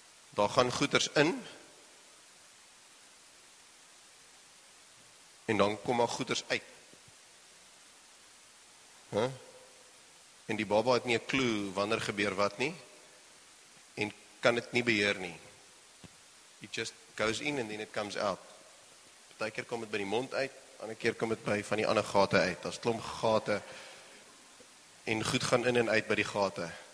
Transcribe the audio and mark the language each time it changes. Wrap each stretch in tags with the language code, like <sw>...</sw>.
<af>Daar gaan goeders in en dan kom daar goeders uit. En die baba het nie 'n klou wanneer gebeur wat nie en kan dit nie beheer nie.</af> <en>It just goes in and then it comes out.</en> <af>Partykeer kom dit by die mond uit, ander keer kom dit by van die ander gate uit. Daar's klomp gate en goed gaan in en uit by die gate.</af>